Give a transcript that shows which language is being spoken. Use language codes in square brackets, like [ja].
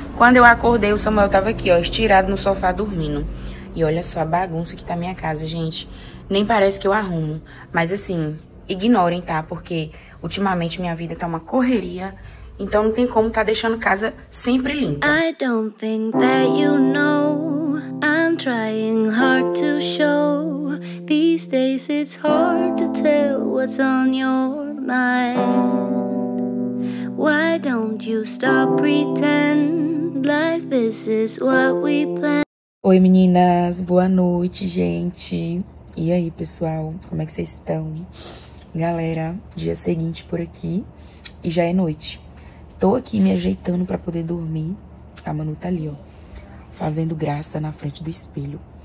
[pt] Quando eu acordei, o Samuel tava aqui, ó, estirado no sofá, dormindo. E olha só a bagunça que tá minha casa, gente. Nem parece que eu arrumo, mas assim, ignorem, tá? Porque ultimamente minha vida tá uma correria, então não tem como tá deixando casa sempre limpa. [en] I don't think that you know, I'm trying hard to show. These days it's hard to tell what's on your mind. Why don't you stop pretend like this is what we plan? [pt] Oi meninas, boa noite, gente. E aí, pessoal, como é que vocês estão? Galera, dia seguinte por aqui e já é noite. Tô aqui me ajeitando pra poder dormir. A Manu tá ali, ó, fazendo graça na frente do espelho.